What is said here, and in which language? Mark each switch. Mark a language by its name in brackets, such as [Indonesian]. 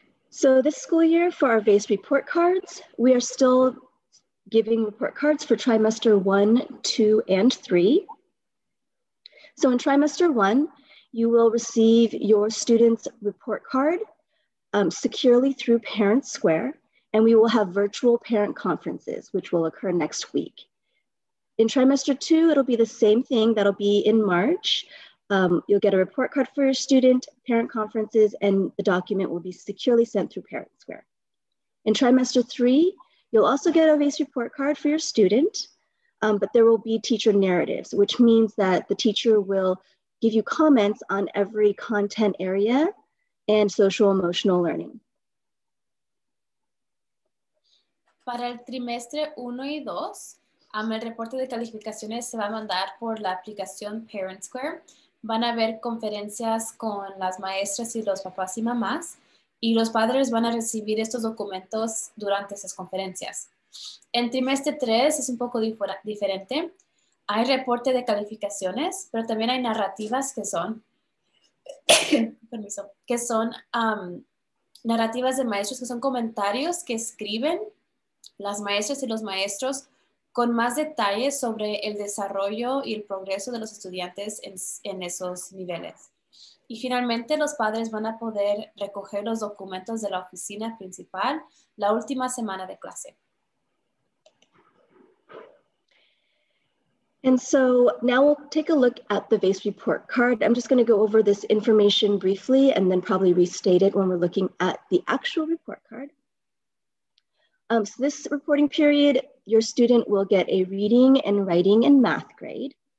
[English] So this school year for our VAICE report cards, we are still giving report cards for trimester 1, 2, and 3. So in trimester 1, you will receive your student's report card securely through Parent Square, and we will have virtual parent conferences, which will occur next week. In trimester two, it'll be the same thing. That'll be in March. You'll get a report card for your student, parent conferences, and the document will be securely sent through ParentSquare. In trimester three, you'll also get a VACE report card for your student, but there will be teacher narratives, which means that the teacher will give you comments on every content area and social emotional learning. [Spanish] Para el trimestre 1 y 2, el reporte de calificaciones se va a mandar por la aplicación ParentSquare. Van a haber conferencias con las maestras y los papás y mamás, y los padres van a recibir estos documentos durante esas conferencias. En trimestre 3 es un poco diferente. Hay reporte de calificaciones, pero también hay narrativas que son, permiso, que son narrativas de maestros, que son comentarios que escriben las maestras y los maestros con más detalles sobre el desarrollo y el progreso de los estudiantes en esos niveles. Y finalmente, los padres van a poder recoger los documentos de la oficina principal la última semana de clase. [English] And so now we'll take a look at the VACE report card. I'm just going to go over this information briefly and then probably restate it when we're looking at the actual report card. So this reporting period, your student will get a reading and writing and math grade.